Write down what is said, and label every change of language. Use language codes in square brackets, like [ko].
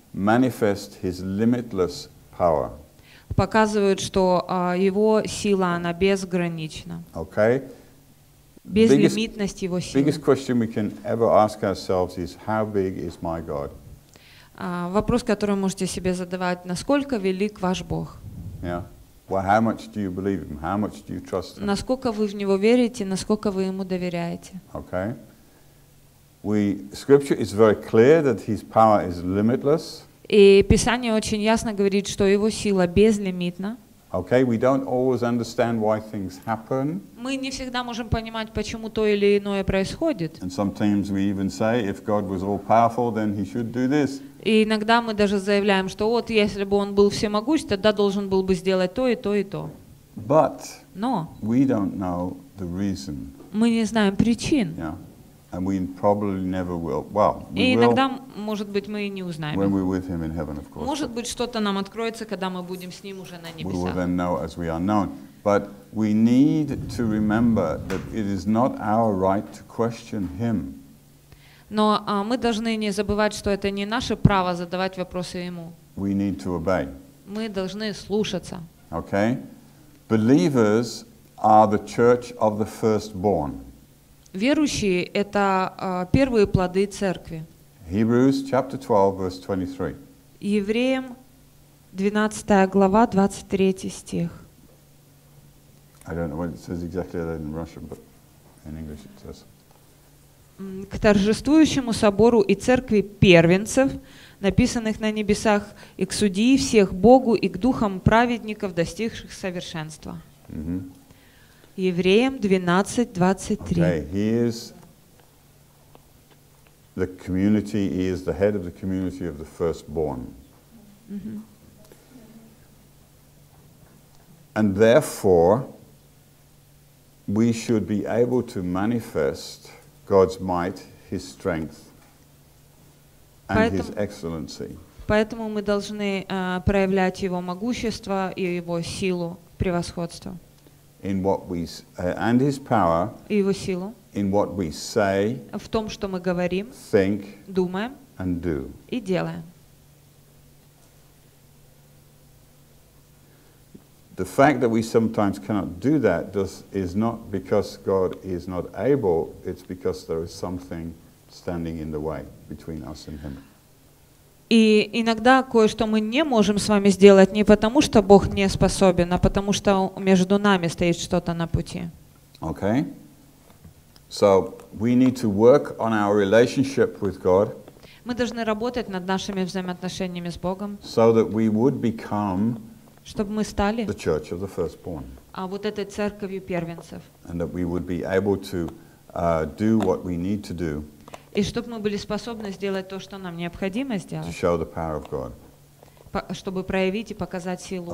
[en] Manifest his limitless power. [ru] Показывают, что его сила, она безгранична. [en] Okay. [ru] Безлимитность его силы. [en] Biggest question we can ever ask ourselves is, how big is my God? [ru] Вопрос, который можете себе задавать, насколько велик ваш Бог? [en] Yeah. Well, how much do you believe him? How much do you trust him? [ru] Насколько вы в него верите, насколько вы ему доверяете? [en] Okay. Scripture is very clear that his power is limitless. [ru] И Писание очень ясно говорит, что его сила безлимитна. [en] Okay, we don't always understand why things happen. [ru] Мы не всегда можем понимать, почему то или иное происходит. [en] And sometimes we even say, if God was all powerful, then he should do this. [ru] И иногда мы даже заявляем, что вот если бы он был всемогущ, тогда должен был бы сделать то и то и то. [en] But [ru] Но [en] we don't know the reason. [ru] Мы не знаем причин. [en] Yeah. And we probably never will. Well, [ru] и иногда, может быть, мы и не узнаем. [en] When we're with him in heaven, of course. [ru] Может быть, что-то нам откроется, когда мы будем с ним уже на небесах. [en] We will then know as we are known. But we need to remember that it is not our right to question him. [ru] Но мы должны не забывать, что это не наше право задавать вопросы ему. [en] We need to obey. [ru] Мы должны слушаться. [en] Okay. Believers are the church of the firstborn. [ru] Верующие — это первые плоды церкви. [en] Hebrews chapter 12, verse 23. [ru] Евреям 12 глава, 23 стих. [en] I don't know what it says exactly in Russian, but in English it says. [ru] К торжествующему собору и церкви первенцев, написанных на небесах, и к судии всех Богу и к духам праведников, достигших совершенства. Mm-hmm. Евреям 12:23. [en] Okay, he is the community. He is the head of the community of the firstborn. Mm-hmm. And therefore, we should be able to manifest God's might, His strength, and His excellency. [ru] Поэтому мы должны проявлять Его могущество и Его силу, превосходство. [en] In what we and His power. [ru] И Его силу. [en] In what we say. [ru] В том, что мы говорим. [en] Think. [ru] Думаем. [en] And do. [ru] И делаем. [en] The fact that we sometimes cannot do that is not because God is not able, it's because there is something standing in the way between us and Him. [ru] И иногда кое-что мы не можем с вами сделать не потому, что Бог не способен, а потому что между нами стоит что-то на пути. [en] Okay. So we need to work on our relationship with God. [ru] Мы должны работать над нашими взаимоотношениями с Богом. [en] So that we would become [ru] чтобы мы стали [en] the church of the firstborn. [ru] А вот этой церковью первенцев. [en] And that we would be able to do what we need to do. [ru] И чтобы мы были способны сделать то, что нам необходимо сделать. [en] To show the power of God. [ru] Чтобы проявить и показать силу